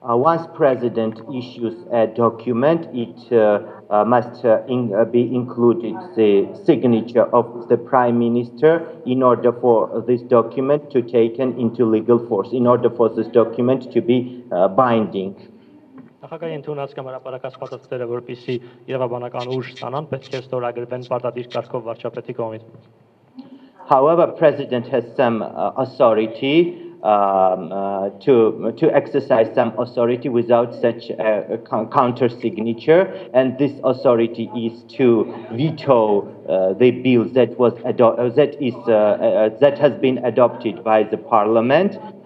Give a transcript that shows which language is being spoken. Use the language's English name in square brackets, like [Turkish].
[English] Once president issues a document, it must be included the signature of the prime minister in order for this document to take into legal force, in order for this document to be binding. [Armenian] Նախագահի ընդունած կամ հրապարակածածները, որպեսզի իրավաբանական ուժ ստանան, պետք է ստորագրվեն պարտադիր կարգով վարչապետի կողմից. [English] However, president has some authority to exercise some authority without such a counter signature, and this authority is to veto the bill that has been adopted by the parliament.